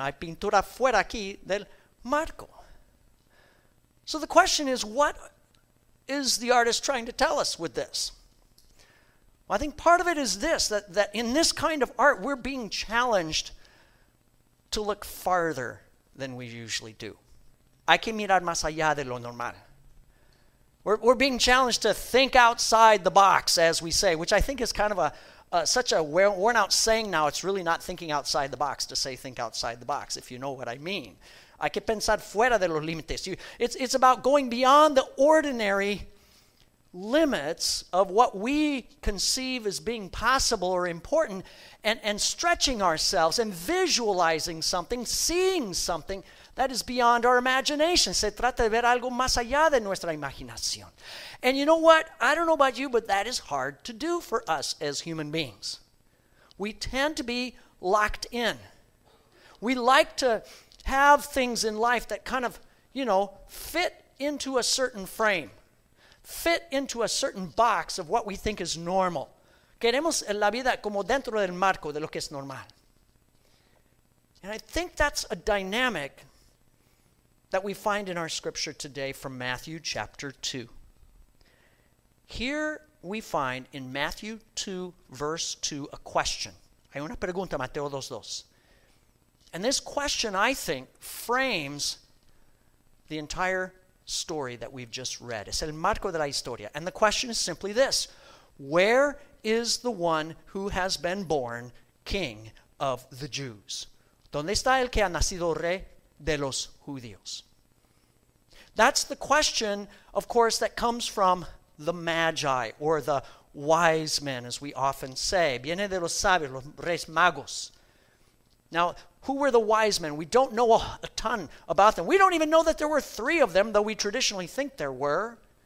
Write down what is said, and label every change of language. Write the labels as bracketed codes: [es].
[es] Hay pintura fuera aquí del marco. [en] So the question is, what is the artist trying to tell us with this? Well, I think part of it is this, that in this kind of art, we're being challenged to look farther than we usually do. [es] Hay que mirar más allá de lo normal. [en] We're being challenged to think outside the box, as we say, which I think is kind of such a worn-out saying now. It's really not thinking outside the box to say think outside the box, if you know what I mean. [es] Hay que pensar fuera de los límites. [en] It's about going beyond the ordinary limits of what we conceive as being possible or important and stretching ourselves and visualizing something, seeing something that is beyond our imagination. [es] Se trata de ver algo más allá de nuestra imaginación. [en] And you know what? I don't know about you, but that is hard to do for us as human beings. We tend to be locked in. We like to have things in life that kind of, you know, fit into a certain frame, fit into a certain box of what we think is normal. [es] Queremos la vida como dentro del marco de lo que es normal. [en] And I think that's a dynamic that we find in our scripture today from Matthew chapter 2. Here we find in Matthew 2, verse 2, a question. [es] Hay una pregunta, Mateo 2:2. [en] And this question, I think, frames the entire story that we've just read. [es] Es el marco de la historia. [en] And the question is simply this: where is the one who has been born king of the Jews? [es] ¿Dónde está el que ha nacido rey de los judíos? [en] That's the question, of course, that comes from the magi, or the wise men, as we often say. [es] Viene de los sabios, los reyes magos. [en] Now, who were the wise men? We don't know a ton about them. We don't even know that there were three of them, though we traditionally think there were.